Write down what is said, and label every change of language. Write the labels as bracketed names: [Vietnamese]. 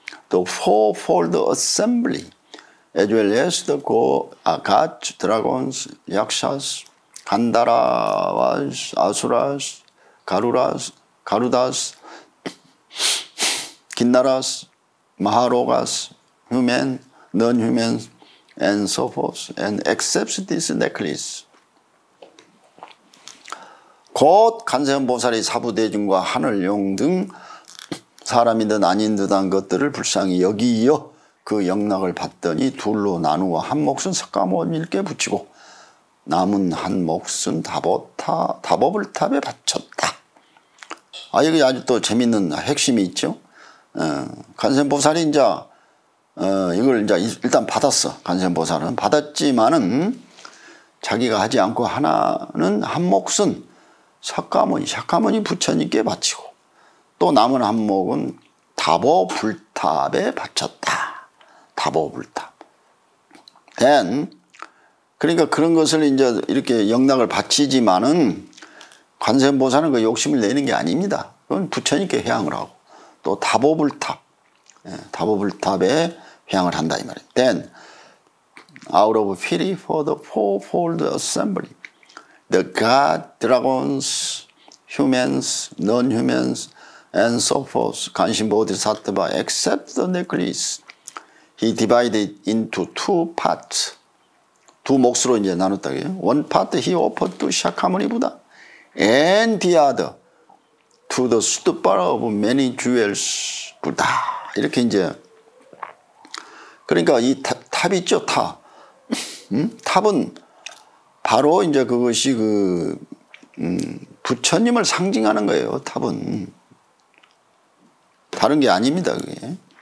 [English] The fourfold assembly, as well as the gods, dragons, yakshas, gandharvas, asuras, garudas, kinnaras, maharogas, human, non-human, and so forth, and accepts this necklace. [Korean] 곧 관세음보살이 사부대중과 하늘용 등 사람이든 아닌듯한 것들을 불쌍히 여기이어 그 영락을 받더니 둘로 나누어 한 몫은 석가모니께 붙이고 남은 한 몫은 다보불탑에 바쳤다. 아, 여기 아주 또 재밌는 핵심이 있죠. 관세음보살이 이제 이걸 이제 일단 받았어. 관세음보살은 받았지만은 자기가 하지 않고 하나는 한 몫은 석가모니 부처님께 바치고 또 남은 한 몫은 다보불탑에 바쳤다. 다보불탑. Then 그러니까 그런 것을 이제 이렇게 영락을 바치지만은 관세음보살은 그 욕심을 내는 게 아닙니다. 그건 부처님께 향을 하고 또 다보불탑. 예, 다보불탑에 향을 한다 이 말이에요. [English] Then out of pity for the fourfold assembly, the gods, dragons, humans, non-humans, and so forth, 관심보디사트바 accept the necklace. He divided into two parts. [Korean] 두 몫으로 이제 나눴다. [English] One part he offered to Shakyamuni Buddha and the other to the stupa of many jewels Buddha. [Korean] 이렇게 이제 그러니까 이 탑이 있죠. 탑은 바로 이제 그것이 그 부처님을 상징하는 거예요. 탑은 다른 게 아닙니다. 그게.